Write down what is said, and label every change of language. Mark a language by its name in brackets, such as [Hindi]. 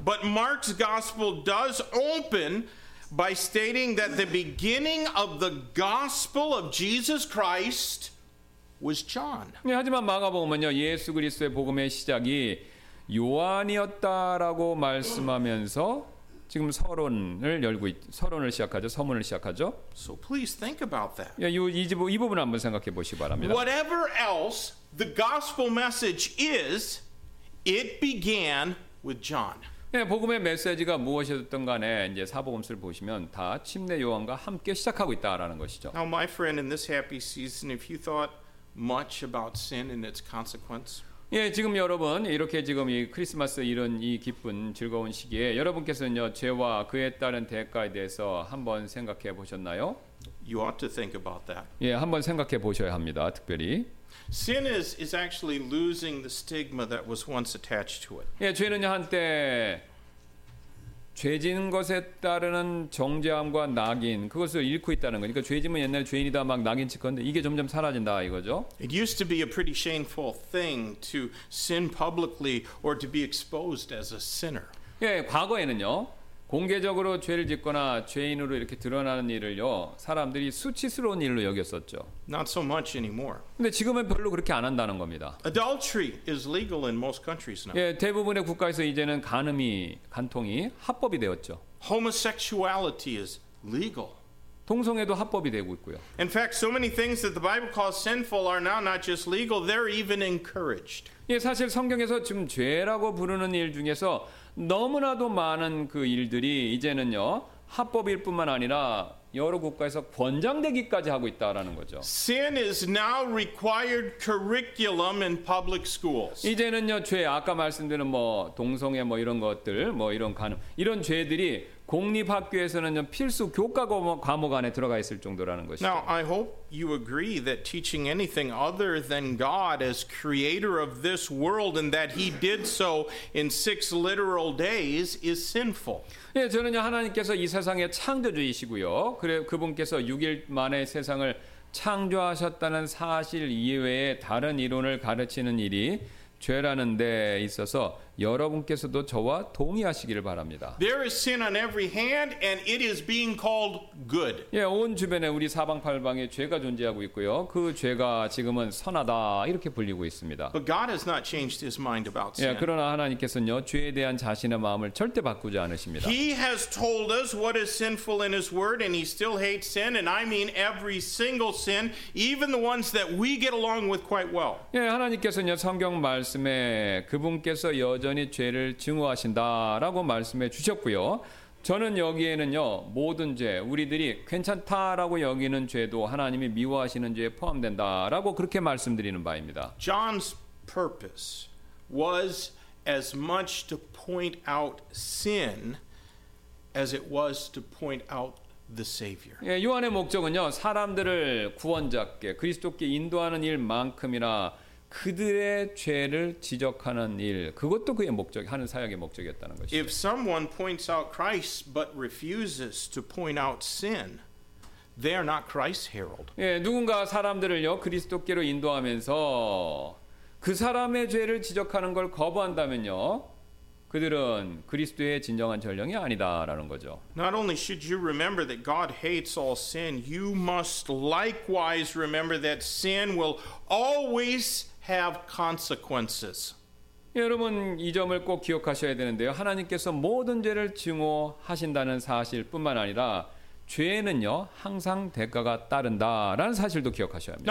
[English] But Mark's gospel does open by stating that the beginning of the gospel of Jesus Christ was John. [Korean] 예, 하지만 마가복음은요 예수 그리스도의 복음의 시작이 요한이었다라고 말씀하면서 지금 서론을 열고 있, 서론을 시작하죠. 서문을 시작하죠. [English] So please think about that. [Korean] 예, 이 부분 한번 생각해 보시기 바랍니다. [English] Whatever else the gospel message is, it began with John. [Korean] 예, 복음의 메시지가 무엇이었든 간에 이제 사복음서를 보시면 다 침례 요한과 함께 시작하고 있다라는 것이죠. [English] Now my friend, in this happy season, if you thought much about sin and its consequence. [Korean] 예, 지금 여러분 이렇게 지금 이 크리스마스 이런 이 기쁜 즐거운 시기에 여러분께서는요 죄와 그에 따른 대가에 대해서 한번 생각해 보셨나요? [English] You ought to think about that. [Korean] 예, 한번 생각해 보셔야 합니다. 특별히 [English] sin is actually losing the stigma that was once attached to it. [Korean] 예, 죄는요 한때 죄진 것에 따르는 정죄함과 낙인 그것을 잃고 있다는 거니까 죄짐은 옛날 죄인이다 막 낙인 찍었는데 이게 점점 사라진다 이거죠. [English] It used to be a pretty shameful thing to sin publicly or to be exposed as a sinner. [Korean] 예, 과거에는요 공개적으로 죄를 짓거나 죄인으로 이렇게 드러나는 일을요 사람들이 수치스러운 일로 여겼었죠. [English] Not so much anymore. [Korean] 근데 지금은 별로 그렇게 안 한다는 겁니다. [English] Adultery is legal in most countries now. [Korean] 예, 대부분의 국가에서 이제는 간음이 간통이 합법이 되었죠. [English] Homosexuality is legal. [Korean] 동성애도 합법이 되고 있고요. [English] In fact, so many things that the Bible calls sinful are now not just legal; they're even encouraged. [Korean] 예, 사실 성경에서 지금 죄라고 부르는 일 중에서 너무나도 많은 그 일들이 이제는요 합법일 뿐만 아니라 여러 국가에서 권장되기까지 하고 있다라는 거죠. [English] Sin is now required curriculum in public schools. [Korean] 이제는요 죄 아까 말씀드린 뭐 동성애 뭐 이런 것들 뭐 이런 간음 이런 죄들이 공립학교에서는요 필수 교과 과목 안에 들어가 있을 정도라는 것이죠. [English] Now I hope you agree that teaching anything other than God as creator of this world and that he did so in six literal days is sinful. [Korean] 예, 저는요 하나님께서 이 세상의 창조주이시고요. 그래 그분께서 6일 만에 세상을 창조하셨다는 사실 이외에 다른 이론을 가르치는 일이 죄라는 데 있어서 여러분께서도 저와 동의하시기를 바랍니다. [English] There is sin on every hand and it is being called good. [Korean] 예, 온 주변에 우리 사방팔방에 죄가 존재하고 있고요. 그 죄가 지금은 선하다 이렇게 불리고 있습니다. [English] But God has not changed his mind about sin. [Korean] 예, 그러나 하나님께서는요, 죄에 대한 자신의 마음을 절대 바꾸지 않으십니다. [English] He has told us what is sinful in his word and he still hates sin and I mean every single sin, even the ones that we get along with quite well. [Korean] 예, 하나님께서는요, 성경 말씀에 그분께서 여전히 죄를 증오하신다라고 말씀해 주셨고요. 저는 여기에는요 모든 죄 우리들이 괜찮다라고 여기는 죄도 하나님이 미워하시는 죄에 포함된다라고 그렇게 말씀드리는 바입니다. [English] John's purpose was as much to point out sin as it was to point out the Savior. [Korean] 예, 요한의 목적은요 사람들을 구원자께 그리스도께 인도하는 일만큼이나 그들의 죄를 지적하는 일 그것도 그의 목적 하는 사역의 목적이었다는 것이죠. [English] If someone points out Christ but refuses to point out sin, they are not Christ's herald. [Korean] 예, 누군가 사람들을요 그리스도께로 인도하면서 그 사람의 죄를 지적하는 걸 거부한다면요 그들은 그리스도의 진정한 전령이 아니다라는 거죠. [English] Not only should you remember that God hates all sin, you must likewise remember that sin will always have consequences. [Korean] 여러분 이 점을 꼭 기억하셔야 되는데요. 하나님께서 모든 죄를 증오하신다는 사실뿐만 아니라 죄는요 항상 대가가 따른다라는 사실도 기억하셔야 합니다.